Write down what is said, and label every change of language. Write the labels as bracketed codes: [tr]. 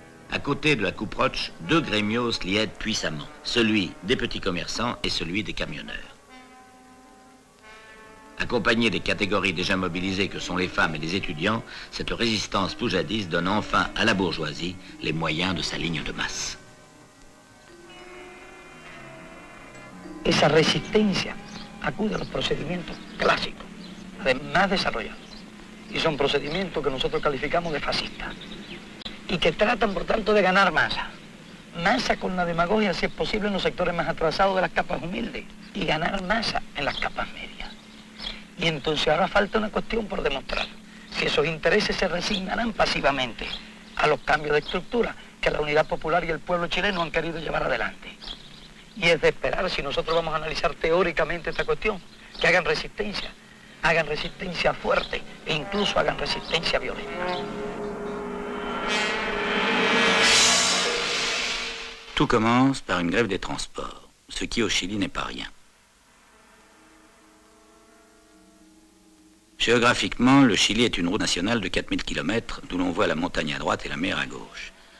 [fr] À côté de la CUPROCH, deux gremios l'y aident puissamment, celui des petits commerçants et celui des camionneurs. Accompagnée des catégories déjà mobilisées que sont les femmes et les étudiants, cette résistance poujadiste donne enfin à la bourgeoisie les moyens de sa ligne de masse. [es] Esa resistencia acude a los procedimientos clásicos, más desarrollados, y son procedimientos que nosotros calificamos de fascistas, y que tratan, por tanto, de ganar masa. Masa con la demagogia, si es posible, en los sectores más atrasados de las capas humildes, y ganar masa en las capas medias. Y entonces ahora falta una cuestión por demostrar, si esos intereses se resignarán pasivamente a los cambios de estructura que la unidad popular y el pueblo chileno han querido llevar adelante. Y es de esperar, si nosotros vamos a analizar teóricamente esta cuestión, que hagan resistencia fuerte e incluso hagan resistencia violenta. [fr] Tout commence par une grève des transports, ce qui au Chili n'est pas rien. Géographiquement, le Chili est une route nationale de 4000 km, d'où l'on voit la montagne à droite et la mer à gauche.